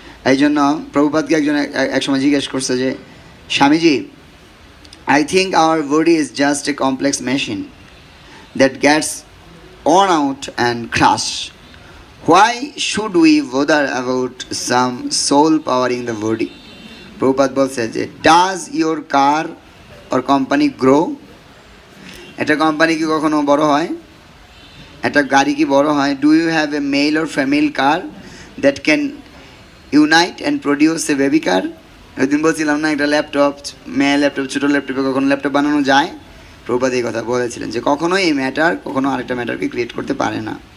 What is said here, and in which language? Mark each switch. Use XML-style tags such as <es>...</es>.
<bn>এই জন্য প্রভুপাদকে একজন একসময় জিজ্ঞেস করছে যে Swamiji,</bn> <en>I think our body is just a complex machine that gets worn out and crushed. Why should we bother about some soul powering the body? Prabhupada says, does your car or company grow?</en> <bn>Eta company ki kokhono boro hoy? একটা গাড়ি কি বড় হয়,</bn> <en>Do you have a male or female car that can unite and produce a baby car.</en> <bn>ওই দিন বলছিলাম না একটা ল্যাপটপ, মেয়ে ল্যাপটপ, ছোটো ল্যাপটপে কখনো ল্যাপটপ বানানো যায়? প্রভুপাদ এই কথা বলেছিলেন যে কখনোই এই ম্যাটার কখনো আরেকটা ম্যাটারকে ক্রিয়েট করতে পারে না।</bn>